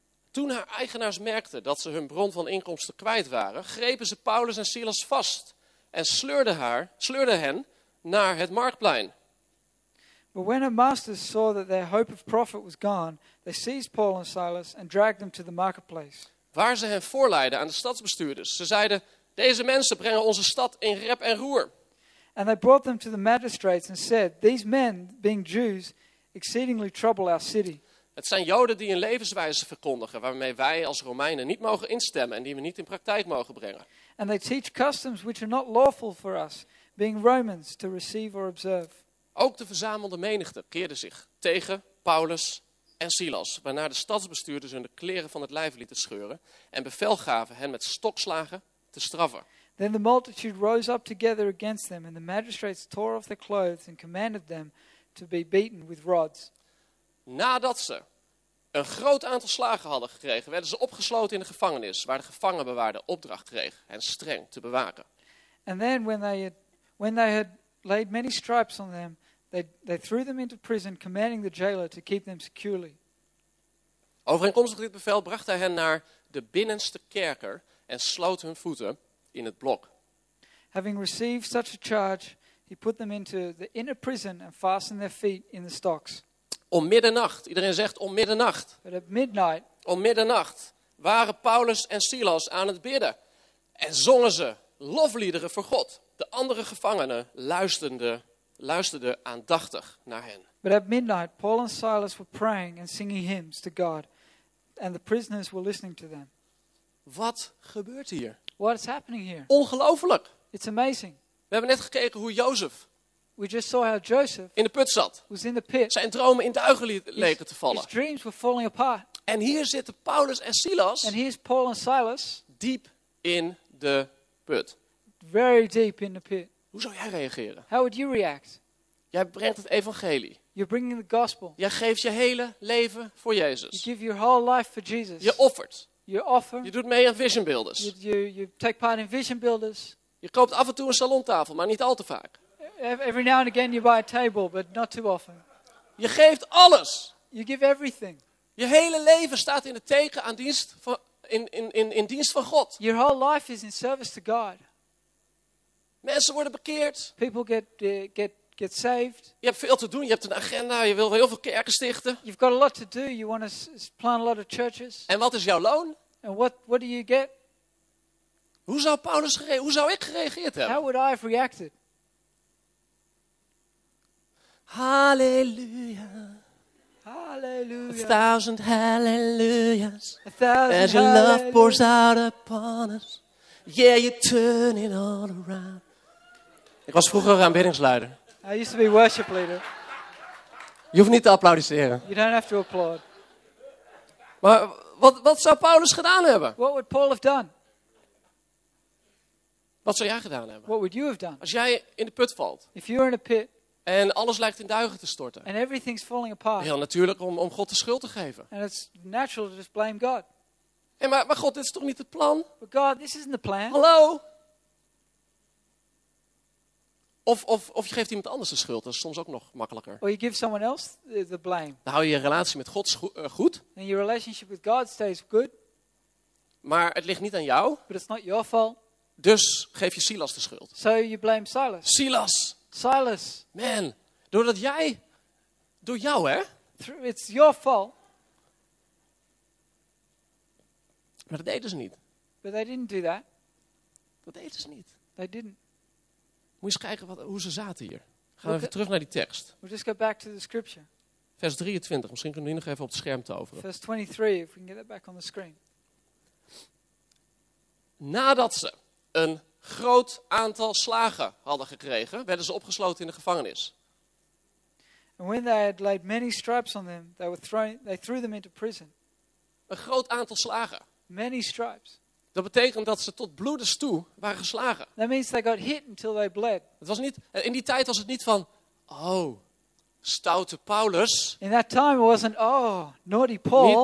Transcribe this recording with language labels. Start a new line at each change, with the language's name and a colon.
Dutch: Toen haar eigenaars merkten dat ze hun bron van inkomsten kwijt waren, grepen ze Paulus en Silas vast en sleurden hen naar het marktplein.
English: But when her masters saw that their hope of profit was gone, they seized Paul and Silas and dragged them to the marketplace.
Dutch: Waar ze hen voorleidden aan de stadsbestuurders. Ze zeiden: deze mensen brengen onze stad in rep en roer.
English: And they brought them to the magistrates and said: these men, being Jews, exceedingly trouble our city.
Dutch: Het zijn Joden die een levenswijze verkondigen waarmee wij als Romeinen niet mogen instemmen en die we niet in praktijk mogen brengen.
English: And they teach customs which are not lawful for us, being Romans, to receive or observe.
Dutch: Ook de verzamelde menigte keerde zich tegen Paulus en Silas, waarna de stadsbestuurders hun de kleren van het lijf lieten scheuren en bevel gaven hen met stokslagen te straffen.
English: Then the multitude rose up together against them, and the magistrates tore off their clothes and commanded them to be beaten with rods.
Dutch: Nadat ze een groot aantal slagen hadden gekregen, werden ze opgesloten in de gevangenis, waar de gevangenbewaarder opdracht kreeg hen streng te bewaken.
English: And then when they had laid many stripes on them, they threw them into prison, commanding the jailer to keep them securely.
Dutch: Overeenkomstig dit bevel bracht hij hen naar de binnenste kerker en sloot hun voeten in het blok.
English: Having received such a charge, he put them into the inner prison and fastened their feet in the stocks.
Dutch: Om middernacht, iedereen zegt om middernacht.
English: But at midnight,
Dutch: om middernacht waren Paulus en Silas aan het bidden en zongen ze lofliederen voor God. De andere gevangenen luisterden aandachtig naar hen.
English: But at midnight, Paul and Silas were praying and singing hymns to God, and the prisoners were listening to them.
Dutch: Wat gebeurt hier?
English: What is happening here?
Dutch: Ongelooflijk.
English: It's amazing.
Dutch: We hebben net gekeken hoe Jozef.
English: We just saw how Joseph
Dutch: in de put zat.
English: Was in the pit.
Dutch: Zijn dromen in duigen leken te vallen.
English: His dreams were falling apart.
Dutch: En hier zitten Paulus en Silas.
English: And here's Paul and Silas.
Dutch: Diep in de put.
English: Very deep in the pit.
Dutch: Hoe zou jij reageren?
English: How would you react?
Dutch: Jij brengt het evangelie.
English: You're bringing the gospel.
Dutch: Jij geeft je hele leven voor Jezus.
English: You give your whole life for Jesus.
Dutch: Je offert.
English: You offer.
Dutch: Je doet mee aan Vision Builders.
English: You take part in Vision Builders.
Dutch: Je koopt af en toe een salontafel, maar niet al te vaak.
English: Every now and again you buy a table, but not too often.
Dutch: Je geeft alles.
English: You give everything.
Dutch: Je hele leven staat in het teken aan dienst van in dienst van God.
English: Your whole life is in service to God.
Dutch: Mensen worden bekeerd.
English: People get saved.
Dutch: Je hebt veel te doen. Je hebt een agenda. Je wil heel veel kerken stichten.
English: You've got a lot to do. You want to plant a lot of churches.
Dutch: En wat is jouw loon?
English: And what do you get?
Dutch: Hoe zou ik gereageerd hebben?
English: How would I have reacted?
Dutch: Hallelujah.
English: Hallelujah. A thousand hallelujahs. A thousand as your hallelujah. Love pours out upon us. Yeah, you turn it all around.
Dutch: Ik was vroeger aanbiddingsleider.
English: I used to be worship leader.
Dutch: Je hoeft niet te applaudisseren.
English: You don't have to applaud.
Dutch: Maar wat zou Paulus gedaan hebben?
English: What would Paul have done?
Dutch: Wat zou jij gedaan hebben?
English: What would you have done?
Dutch: Als jij in de put valt.
English: If you're in a pit.
Dutch: En alles lijkt in duigen te storten.
English: And everything's falling apart.
Dutch: Heel natuurlijk om God de schuld te geven.
English: And it's natural to just blame God.
Dutch: Hey, maar God, dit is toch niet het plan?
English: But God, this isn't the plan.
Dutch: Hallo? Of je geeft iemand anders de schuld. Dat is soms ook nog makkelijker.
English: Or you give someone else the blame.
Dutch: Dan hou je je relatie met God goed.
English: And your relationship with God stays good.
Dutch: Maar het ligt niet aan jou.
English: But it's not your fault.
Dutch: Dus geef je Silas de schuld.
English: So you blame Silas.
Dutch: Silas.
English: Silas.
Dutch: Man, doordat jij, door jou hè.
English: It's your fault.
Dutch: Maar dat deden ze niet.
English: But they didn't do that.
Dutch: Dat deden ze niet.
English: They didn't.
Dutch: Moet je eens kijken hoe ze zaten hier. Gaan we even terug naar die tekst.
English: We'll just go back to the scripture.
Dutch: Vers 23, misschien kunnen we die nog even op het scherm toveren.
English: Vers 23, if we can get that back on the screen.
Dutch: Nadat ze een groot aantal slagen hadden gekregen, werden ze opgesloten in de gevangenis.
English: And when they had laid many stripes on them, they threw them into prison.
Dutch: Een groot aantal slagen.
English: Many stripes.
Dutch: Dat betekent dat ze tot bloedens toe waren geslagen.
English: That means they got hit until they bled.
Dutch: Het was niet, in die tijd was het niet van, oh, stoute Paulus.
English: In that time it wasn't, oh, naughty Paul.